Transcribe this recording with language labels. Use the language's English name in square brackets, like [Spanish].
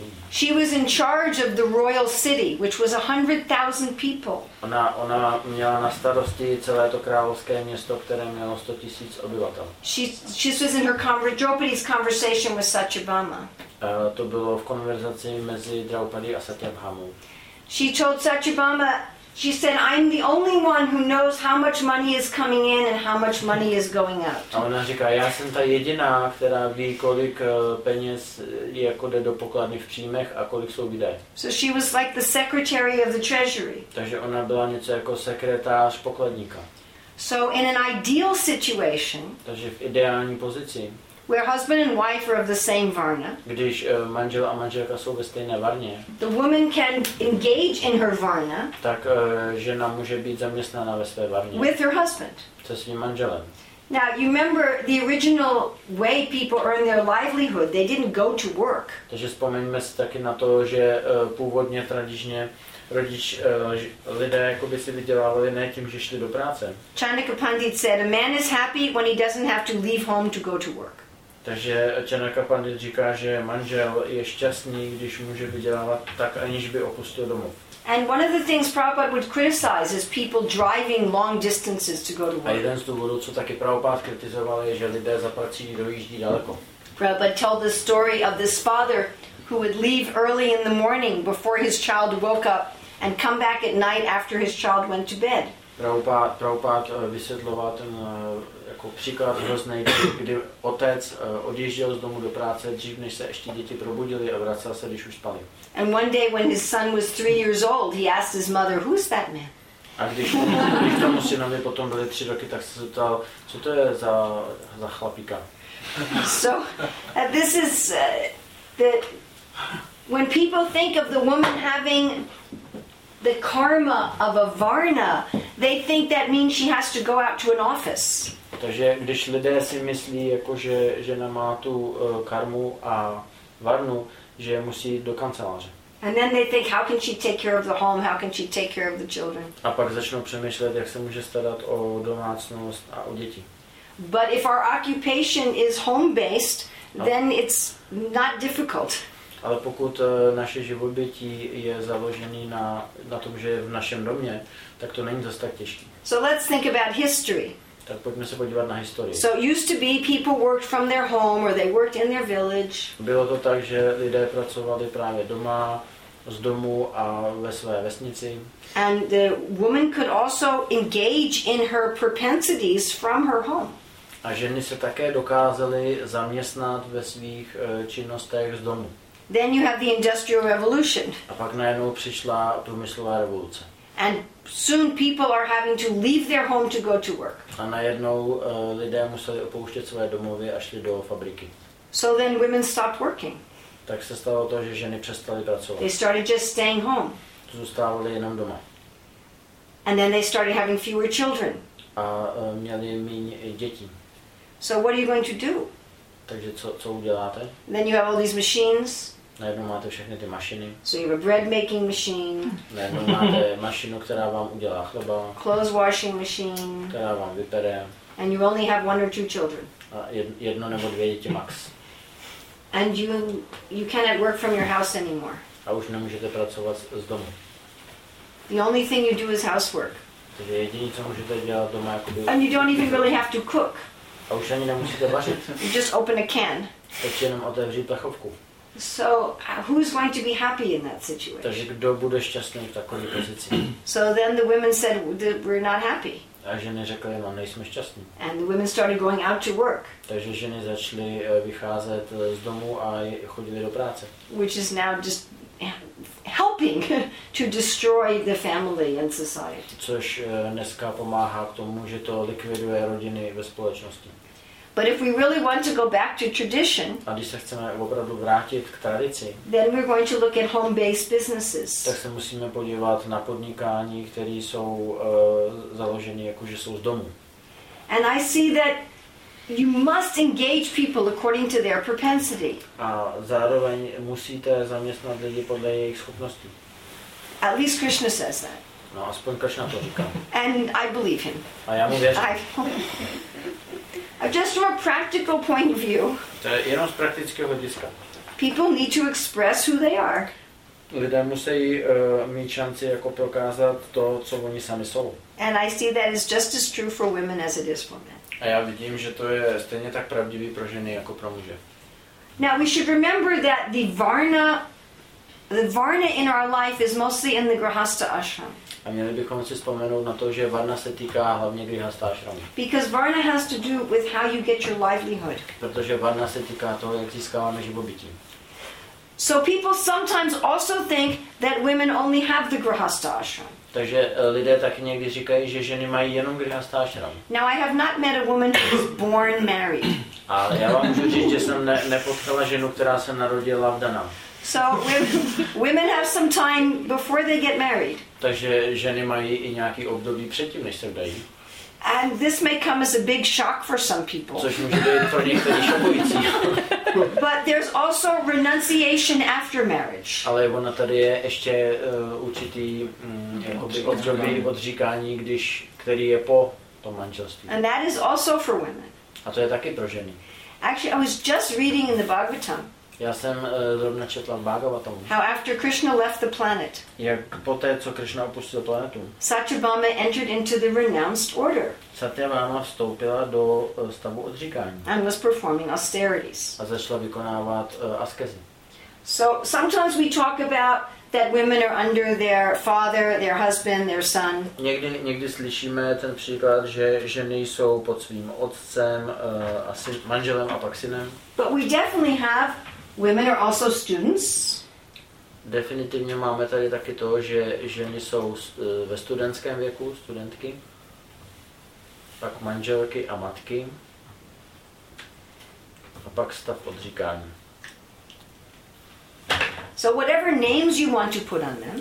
[English] She was in charge of the royal city, which was 100,000 people. [Czech] Ona měla na starosti celé to královské město, které mělo 100 000 obyvatel. [English] She was in her Draupadi's conversation with Satyabhama. [Czech] To bylo v konverzaci mezi Draupadi a Satyabhamou. [English] She told Satyabhama, she said, "I'm the only one who knows how much money is coming in and how much money is going out." [Czech] A ona říká, já jsem ta jediná, která ví, kolik peněz jako jde do pokladny v příjmech a kolik jsou výdaje. [English] So she was like the secretary of the treasury. [Czech] Takže ona byla něco jako sekretář pokladníka. [English] So in an ideal situation. [Czech] Takže v ideální pozici. [English] Where husband and wife are of the same varna. [Czech] Když manžel a manželka jsou ve stejné varně. [English] The woman can engage in her varna. [Czech] Tak žena může být zaměstnána ve své varně. [English] With her husband. [Czech] Se svým manželem. [English] Now you remember the original way people earned their livelihood. They didn't go to work. [Czech] Takže vzpomeňme si taky na to, že původně tradičně rodič lidé jakoby si vydělávali ne tím, že šli do práce. [English] Chandika Pandit said, a man is happy when he doesn't have to leave home to go to work. [Czech] Takže Chandika Pandit říká, že manžel je šťastný, když může vydělávat tak, aniž by opustil domov. [English] And one of the things Prabhupada would criticize is people driving long distances to go to work. [Czech] A jeden z důvodů, co taky Prabhupada kritizoval, je, že lidé za prací dojíždí daleko. [English] Prabhupada told the story of this father who would leave early in the morning before his child woke up and come back at night after his child went to bed. [Czech] Prabhupada vysvětloval ten jako příklad hrozný, kdy otec odjížděl z domu do práce dřív, než se ještě děti probudili a vracel se, když už spali. [English] And one day when his son was 3 years old, he asked his mother, "Who's that man?" [Czech] A když tomu synovi potom byly 3 roky, tak se zeptal, co to je za chlapíka? [English] So, this is that when people think of the woman having the karma of a varna, they think that means she has to go out to an office. [Czech] Takže když lidé si myslí, jakože žena má tu karmu a varnu, že musí do kanceláře. [English] And then they think, how can she take care of the home? How can she take care of the children? [Czech] A pak začnou přemýšlet, jak se může starat o domácnost a o děti. [English] But if our occupation is home-based, then it's not difficult. [Czech] Ale pokud naše živobytí je založený na tom, že je v našem domě, tak to není zase tak těžké. [English] So let's think about history. [Czech] Tak pojďme se podívat na historii. [English] So it used to be people worked from their home or they worked in their village. [Czech] Bylo to tak, že lidé pracovali právě doma, z domu a ve své vesnici. [English] And the woman could also engage in her propensities from her home. [Czech] A ženy se také dokázaly zaměstnat ve svých činnostech z domu. [English] Then you have the industrial revolution. [Czech] A pak najednou přišla průmyslová revoluce. [English] And soon people are having to leave their home to go to work. [Czech] A najednou lidé museli opouštět své domovy a šli do fabriky. [English] So then women stopped working. [Czech] Tak se stalo to, že ženy přestaly pracovat. [English] They started just staying home. [Czech] Zůstávaly jenom doma. [English] And then they started having fewer children. [Czech] A měli míň děti. [English] So what are you going to do? [Czech] Takže co uděláte? [English] Then you have all these machines. [Czech] Najednou máte všechny ty mašiny. [English] So you have a bread making machine. [Czech] Najednou máte mašinu, která vám udělá chleba. [English] Clothes washing machine. [Czech] Která vám vypere. [English] And you only have one or two children. [Czech] A jedno nebo dvě děti max. [English] And you cannot work from your house anymore. [Czech] A už nemůžete pracovat z domu. [English] The only thing you do is housework. [Czech] Takže jediné, co můžete dělat doma, jakoby. [English] And you don't even really have to cook. [Czech] A už ani nemusíte vařit. [English] You just open a can. [Czech] Teď jenom otevřít plechovku. [English] So who is going to be happy in that situation? [Czech] Takže kdo bude šťastný v takové pozici? [English] So then the women said that we're not happy. [Czech] A ženy řekly, no, nejsme šťastní. [English] And the women started going out to work. [Czech] Takže ženy začaly vycházet z domu a chodily do práce. [English] Which is now just helping to destroy the family and society. [Czech] Což dneska pomáhá k tomu, že to likviduje rodiny ve společnosti. [English] But if we really want to go back to tradition, [Czech] a když se chceme opravdu vrátit k tradici, [English] then we're going to look at home-based businesses. [Czech] Tak se musíme podívat na podnikání, které jsou založeny jako že jsou z domu. [English] And I see that you must engage people according to their propensity. [Czech] A zároveň musíte zaměstnat lidi podle jejich schopností. [English] At least Krishna says that. [Czech] No, aspoň Krishna to říká. [English] And I believe him. [Czech] A já mu věřím. [English] Just from a practical point of view. [Czech] To je jenom z praktického hlediska. [English] People need to express who they are. [Czech] Lidé musí mít šanci jako prokázat to, co oni sami jsou. [English] And I see that is just as true for women as it is for men. [Czech] A já vidím, že to je stejně tak pravdivý pro ženy jako pro muže. [English] Now we should remember that the varna in our life is mostly in the grihastha ashram. [Czech] A měli bychom si vzpomenout na to, že varna se týká hlavně grihastha ashramu. [English] Because varna has to do with how you get your livelihood. [Czech] Protože varna se týká toho, jak získáváme živobytí. [English] So people sometimes also think that women only have the grihastha ashram. [Czech] Takže lidé taky někdy říkají, že ženy mají jenom grihastha ashram. [English] Now I have not met a woman who is born married. [Czech] A já vám můžu říct, že jsem nepotkala ženu, která se narodila vdaná. [English] So women have some time before they get married. [Czech] Takže ženy mají i nějaký období předtím, než se vdají. [English] And this may come as a big shock for some people. [Czech] Což může být pro některé šokující. [English] But there's also renunciation after marriage. [Czech] Ale ona tady je ještě určitý období odříkání, který je po tom manželství. [English] And that is also for women. [Czech] A to je taky pro ženy. [English] Actually, I was just reading in the Bhagavatam. [Czech] Já jsem zrovna četla Bhagavatam. [English] How after Krishna left the planet. [Czech] Jak poté, co Krishna opustil planetu. [English] Satyabhama entered into the renounced order. [Czech] Satyabhama vstoupila do stavu odříkání. [English] And was performing austerities. [Czech] A začala vykonávat askezi. [English] So sometimes we talk about that women are under their father, their husband, their son. [Czech] Někdy slyšíme ten příklad, že ženy jsou pod svým otcem, manželem a pak synem. [English] But we definitely have women are also students. [Czech] Definitivně máme tady taky to, že ženy jsou ve studentském věku, studentky, pak manželky a matky, a pak stav odříkání. [English] So whatever names you want to put on them.